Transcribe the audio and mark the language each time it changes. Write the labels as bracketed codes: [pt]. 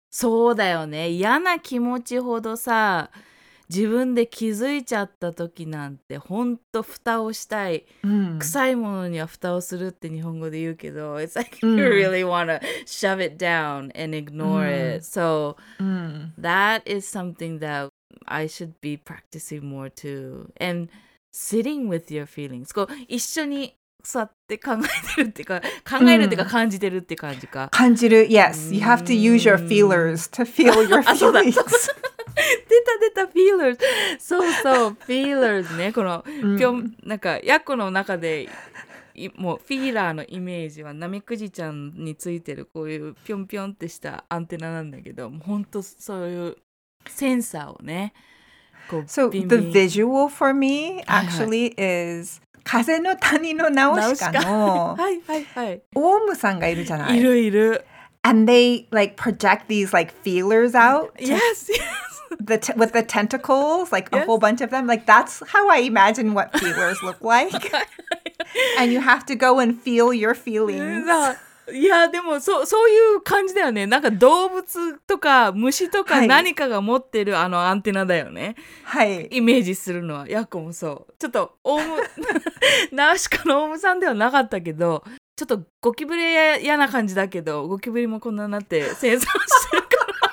[ja] そうだよね。嫌な気持ちほどさ、自分で気づいちゃった時なんて本当蓋をしたい、臭いものには蓋をするって日本語で言うけど、 [en] It's like you really want to shove it down and ignore it. So that is something that I should be practicing more too. And sitting with your feelings. [ja] こう一緒に座って考えてるっていうか、考えるっていうか感じてるって感じか。感じる、 [en] Yes. You have to use your feelers to feel your feelings. [ja] 出た出た、feel feelers. そうそう、feelers ね。この、うん、なんか、ヤコの中で、もう、フィーラーのイメージは、ナメクジちゃんについてる、こういう、ぴょんぴょんってしたアンテナなんだけど、ほんと、そういうセンサーをね、こう、ビンビン。 [en] So, the visual for me, actually, is... [ja] 風の谷のナウシカのはいはい、はい、オウムさんがいるじゃない。いるいる。 [en] And they like project these like feelers out. Yes, yes. With the tentacles, like a whole bunch of them. Like that's how I imagine what feelers look like. And you have to go and feel your feelings. [ja] いやでもそういう感じだよね。なんか動物とか虫とか何かが持ってるあのアンテナだよね。はい。イメージするのはヤコもそう。ちょっとオウムナシカのオウムさんではなかったけど、ちょっとゴキブリ嫌な感じだけど、ゴキブリもこんなになって生産してるから。